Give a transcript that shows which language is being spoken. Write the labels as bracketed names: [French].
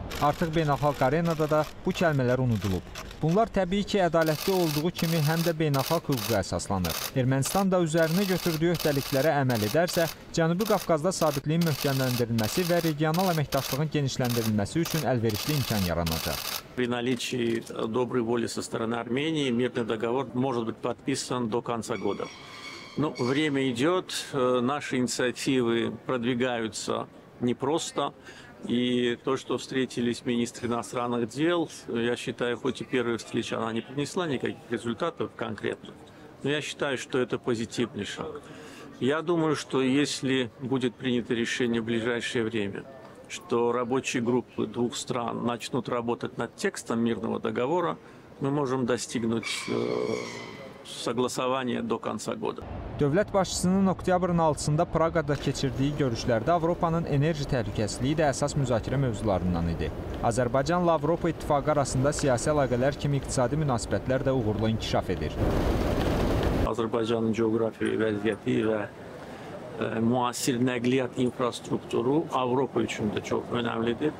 [Azerbaijani] Artıq beynəlxalq arenada da bu kəlmələr unudulub. Bunlar təbii ki, ədalətli olduğu kimi həm də beynəlxalq hüquqa əsaslanır. Ermənistan da üzərinə götürdüyü öhdəliklərə əməl edərsə, Cənubi Qafqazda sabitliyin möhkəmləndirilməsi və regional əməkdaşlığın genişləndirilməsi üçün əlverişli imkan yaranacaq. [Russian] При наличии доброй воли со стороны Армении мирный договор может быть подписан до конца года. Но время идет, наши инициативы продвигаются непросто. И то, что встретились министры иностранных дел, я считаю, хоть и первая встреча, она не принесла никаких результатов конкретно, но я считаю, что это позитивный шаг. Я думаю, что если будет принято решение в ближайшее время, что рабочие группы двух стран начнут работать над текстом мирного договора, мы можем достигнуть согласование до конца года. [Azerbaijani] Dövlət başçısının oktyabrın 6-sında Praqada keçirdiyi görüşlərdə Avropanın enerji təhlükəsizliyi də əsas müzakirə mövzularından idi. Azərbaycanla Avropa İttifaqı arasında siyasi əlaqələr kimi iqtisadi münasibətlər də uğurlu inkişaf edir. Azərbaycanın coğrafi vəziyyəti və müasir nəqliyyat infrastrukturu Avropa üçün də çox önəmlidir.